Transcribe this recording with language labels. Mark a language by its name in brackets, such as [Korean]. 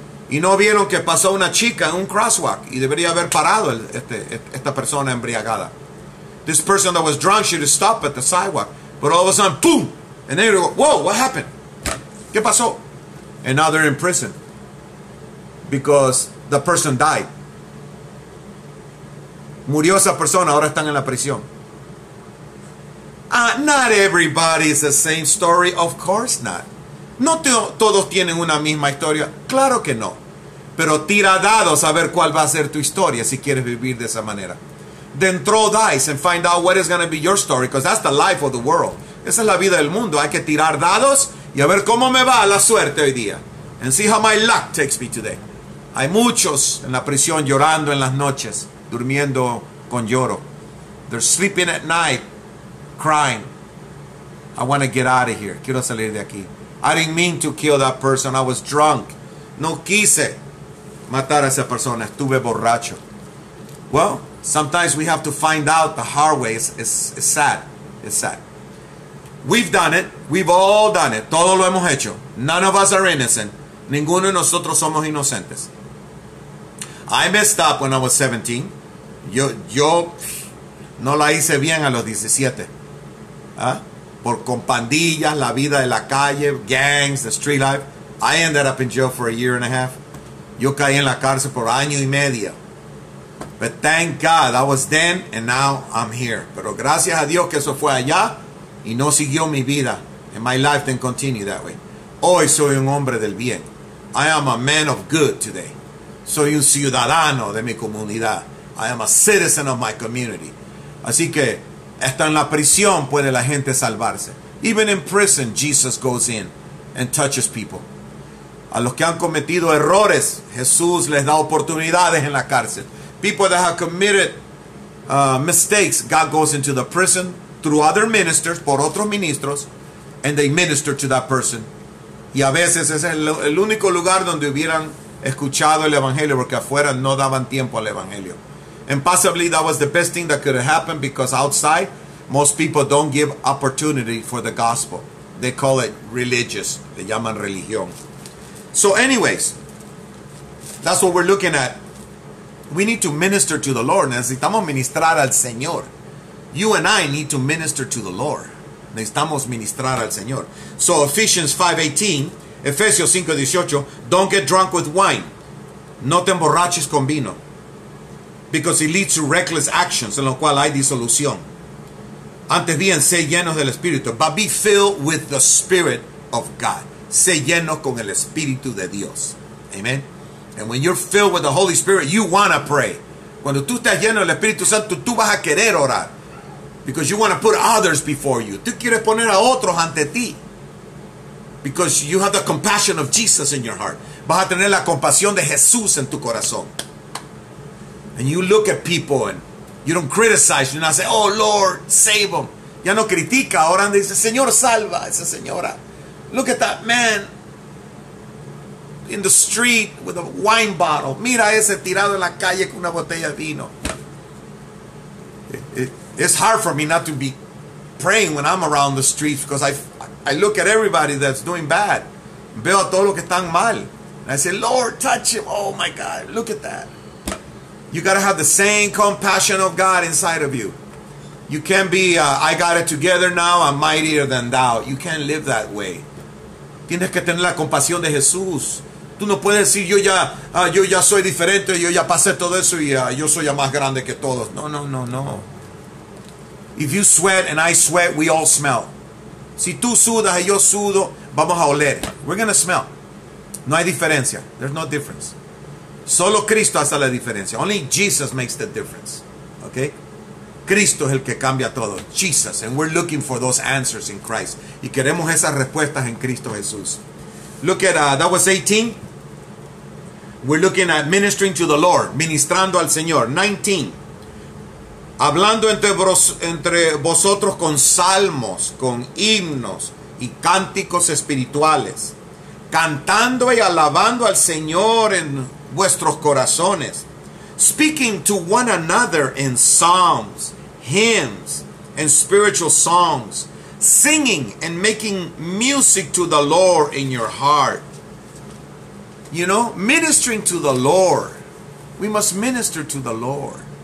[Spanish] Y no vieron que pasó una chica en un crosswalk y debería haber parado esta persona embriagada. [English] This person that was drunk should have stopped at the sidewalk. But all of a sudden, boom! And they go, whoa, what happened? [Spanish] ¿Qué pasó? [English] And now they're in prison. Because the person died. [Spanish] Murió esa persona, ahora están en la prisión. [English] Not everybody is the same story, of course not. [Spanish] No todos tienen una misma historia. Claro que no. Pero tira dados a ver cuál va a ser tu historia si quieres vivir de esa manera. [English] then throw dice and find out what is going to be your story, because that's the life of the world. [Spanish] Esa es la vida del mundo. Hay que tirar dados y a ver cómo me va la suerte hoy día. [English] And see how my luck takes me today. [Spanish] Hay muchos en la prisión llorando en las noches, durmiendo con lloro. [English] They're sleeping at night, crying. I want to get out of here. [Spanish] Quiero salir de aquí. [English] I didn't mean to kill that person. I was drunk. [Spanish] No quise matar a esa persona. Estuve borracho. [English] Well, sometimes we have to find out the hard way. It's sad. It's sad. We've done it. We've all done it. [Spanish] Todo lo hemos hecho. [English] None of us are innocent. [Spanish] Ninguno de nosotros somos inocentes. [English] I messed up when I was 17. [Spanish] Yo no la hice bien a los 17. Por con pandillas, la vida de la calle, [English] gangs, the street life. I ended up in jail for a year and a half. [Spanish] Yo caí en la cárcel por año y medio. [English] But thank God, I was then and now I'm here. [Spanish] Pero gracias a Dios que eso fue allá y no siguió mi vida. [English] And my life didn't continue that way. [Spanish] Hoy soy un hombre del bien. [English] I am a man of good today. [Spanish] Soy un ciudadano de mi comunidad. [English] I am a citizen of my community. [Spanish] Así que hasta en la prisión puede la gente salvarse. [English] Even in prison, Jesus goes in and touches people. [Spanish] A los que han cometido errores, Jesús les da oportunidades en la cárcel. [English] People that have committed mistakes, God goes into the prison through other ministers, [Spanish] por otros ministros, [English] and they minister to that person. [Spanish] Y a veces ese es el único lugar donde hubieran escuchado el evangelio, porque afuera no daban tiempo al evangelio. [English] And possibly that was the best thing that could have happened, because outside, most people don't give opportunity for the gospel. They call it religious. [Spanish] Le llaman religión. [English] So anyways, that's what we're looking at. We need to minister to the Lord. [Spanish] Necesitamos ministrar al Señor. [English] You and I need to minister to the Lord. [Spanish] Necesitamos ministrar al Señor. [English] So Ephesians 5:18, Efesios 5:18, don't get drunk with wine. [Spanish] No te emborraches con vino. [English] Because it leads to reckless actions, [Spanish] en lo cual hay disolución. Antes bien, sé llenos del Espíritu. [English] But be filled with the Spirit of God. [Spanish] Sé lleno con el Espíritu de Dios. [English] Amen. And when you're filled with the Holy Spirit, you want to pray. [Spanish] Cuando tú estás lleno del Espíritu Santo, tú vas a querer orar. [English] Because you want to put others before you. [Spanish] Tú quieres poner a otros ante ti. [English] Because you have the compassion of Jesus in your heart. [Spanish] Vas a tener la compasión de Jesús en tu corazón. [English] And you look at people and you don't criticize. You don't say, oh Lord, save them. [Spanish] Ya no critica. Ahora anda y dice, Señor, salva a esa señora. [English] Look at that man in the street with a wine bottle. [Spanish] Mira ese tirado en la calle con una botella de vino. [English] It's hard for me not to be praying when I'm around the streets, because I look at everybody that's doing bad. [Spanish] Veo a todos los que están mal. [English] And I say, Lord, touch him. Oh my God, look at that. You got to have the same compassion of God inside of you. You can't be, I got it together now, I'm mightier than thou. You can't live that way. [Spanish] Tienes que tener la compasión de Jesús. Tú no puedes decir, yo ya soy diferente, yo ya pasé todo eso y yo soy ya más grande que todos. No, no, no, no. [English] If you sweat and I sweat, we all smell. [Spanish] Si tú sudas y yo sudo, vamos a oler. [English] We're going to smell. [Spanish] No hay diferencia. [English] There's no difference. [Spanish] Solo Cristo hace la diferencia. [English] Only Jesus makes the difference. Okay? [Spanish] Cristo es el que cambia todo. Jesus. [English] And we're looking for those answers in Christ. [Spanish] Y queremos esas respuestas en Cristo Jesús. [English] Look at, that was 18. We're looking at ministering to the Lord. [Spanish] Ministrando al Señor. [English] 19. [Spanish] Hablando entre vosotros con salmos, con himnos y cánticos espirituales. Cantando y alabando al Señor en vuestros corazones. [English] Speaking to one another in psalms, hymns, and spiritual songs. Singing and making music to the Lord in your heart. You know, ministering to the Lord. We must minister to the Lord.